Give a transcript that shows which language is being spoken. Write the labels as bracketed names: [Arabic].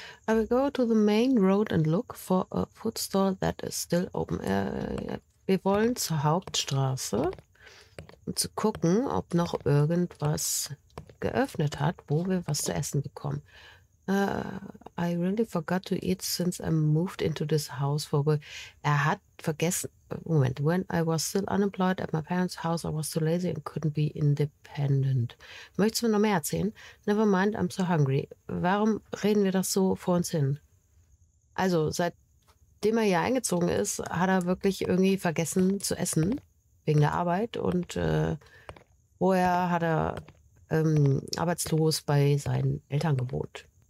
[English] I will go to the main road and look for a food store that is still open. [German] Wir wollen zur Hauptstraße, um zu gucken, ob noch irgendwas geöffnet hat, wo wir was zu essen bekommen. [English] I really forgot to eat since I moved into this house for good. [German] Er hat vergessen. Moment. [English] When I was still unemployed at my parents' house, I was too lazy and couldn't be independent. [German] Möchtest du mir noch mehr erzählen? [English] Never mind, I'm so hungry. [German] Warum reden wir das so vor uns hin? Also, seitdem er hier eingezogen ist, hat er wirklich irgendwie vergessen zu essen, wegen der Arbeit. Und vorher hat er arbeitslos bei seinen Eltern gewohnt.